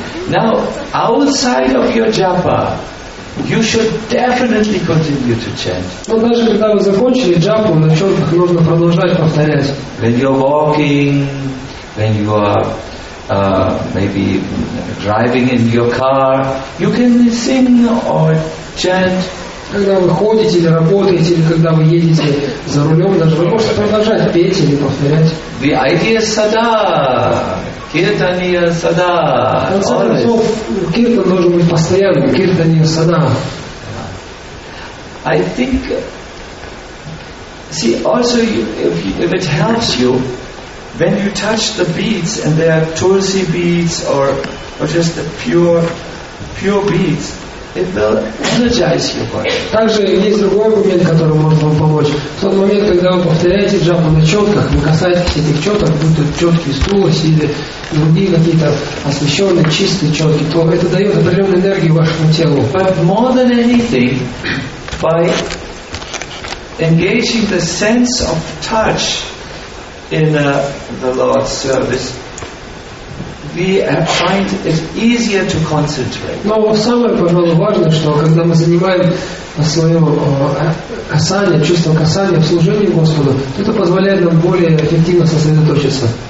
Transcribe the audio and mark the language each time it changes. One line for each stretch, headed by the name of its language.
English: Now, outside of your japa, you should definitely continue to chant.
Russian: Но даже когда вы закончили джапу, на четках нужно продолжать повторять.
English: When you're walking, when you are maybe driving in your car, you can sing or chant.
Russian: Когда вы ходите или работаете, или когда вы едете за рулем, даже вы можете продолжать петь или повторять.
English: The idea
Sanskrit: sada, kirtaniya sada.
Russian: Киртан должен быть постоянным.
Sanskrit: Киртаниya sada.
English: I think. See, also, if it helps you. When you touch the beads and they are tulsi beads or just the pure beads, it will energize your body.
Russian: Также есть другой аргумент, который может вам помочь. В тот момент, когда вы повторяете джапу на четках, вы касаетесь этих четок, будь то четкие тулоси или другие какие-то освещенные, чистые четки, то это дает определенную энергию вашему телу.
English: But more than anything, by engaging the sense of touch in the Lord's service, we find it easier to concentrate.
Russian: Но самое, пожалуй, важное, что когда мы занимаем свое касание, чувство касания в служении Господу, это позволяет нам более эффективно сосредоточиться.